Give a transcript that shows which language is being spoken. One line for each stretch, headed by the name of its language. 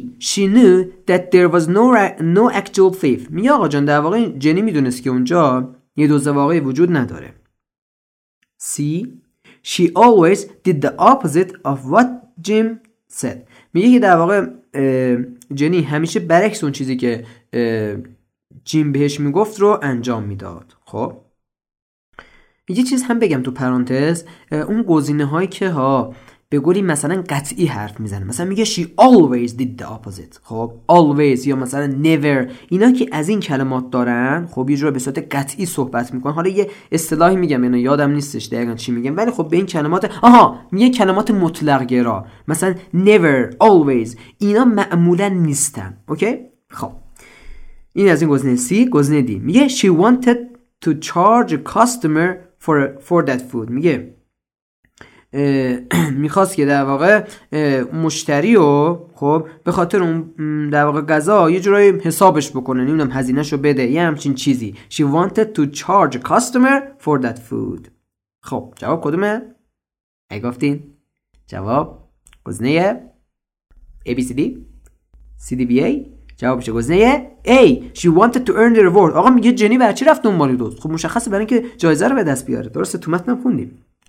English: She knew that there was no actual thief.
Persian: میگه آقا جان در واقع جنی میدونست که اونجا یه دزد واقعی وجود نداره.
English: C. She always did the opposite of what Jim said.
Persian: میگه که در واقع جنی همیشه برعکس اون چیزی که جیم بهش میگفت رو انجام میداد. خب یه چیز هم بگم تو پرانتز، اون گزینه هایی که ها به گولی مثلا قطعی حرف میزنه، مثلا میگه
English: she always did the opposite،
Persian: خب always یا مثلا never، اینا که از این کلمات دارن، خب یه جور به صورت قطعی صحبت میکنن. حالا یه اصطلاحی میگم اینا یادم نیستش دقیقا چی میگم، ولی خب به این کلمات، آها میگه کلمات مطلق گرا، مثلا never always، اینا معمولا نیستن. اوکی خب این از این گزینه C. گزینه D میگه
English: she wanted to charge a customer for that food،
Persian: میگه میخواست که در واقع مشتری رو خب به خاطر اون در واقع غذا یه جورایی حسابش بکنه، نمیدونم هزینه‌ش رو بده، یه همچین چیزی.
English: She wanted to charge a customer for that food.
Persian: خب جواب کدومه؟ اگه گفتین جواب گزینه ABCD CDBA، جواب میشه گزینه A.
English: She wanted to earn the reward.
Persian: آقا میگه جنی برای چی رفت دنبال دوست؟ خب مشخصه برای اینکه جایزه رو به دست بیاره، درسته؟ تو متن خوندیم.